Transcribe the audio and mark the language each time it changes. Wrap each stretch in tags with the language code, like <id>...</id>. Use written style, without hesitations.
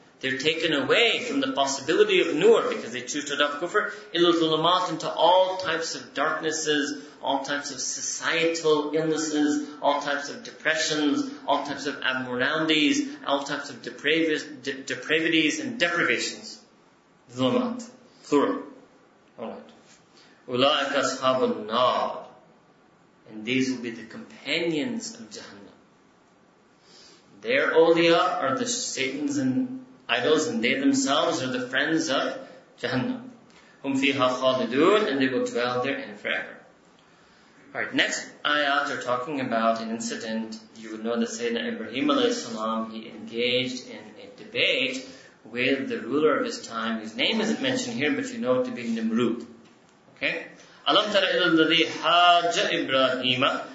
<en>They're taken away from the possibility of nur, because they choose to adopt kufr,</en> <ar>إِلَى الظُّلُمَاتِ,</ar> <en>into all types of darknesses, all types of societal illnesses, all types of depressions, all types of abnormalities, all types of depravities and deprivations. Zulmat. Plural. Alright.</en> <ar>أُولَٰئِكَ أَصْحَابُ النَّارِ.</ar> <en>And these will be the companions of Jahannam. Their awliya are the Satans and idols, and they themselves are the friends of Jahannam.</en> <ar>هُمْ فِيهَا خَالِدُونَ.</ar> <en>And they will dwell therein forever. Alright, next ayat are talking about an incident. You would know that Sayyidina Ibrahim alayhi salam, he engaged in a debate with the ruler of his time, whose name isn't mentioned here, but you know it to be Nimrud. Okay?</en> <ar>Alam tara ila alladhi haja Ibrahima.</ar>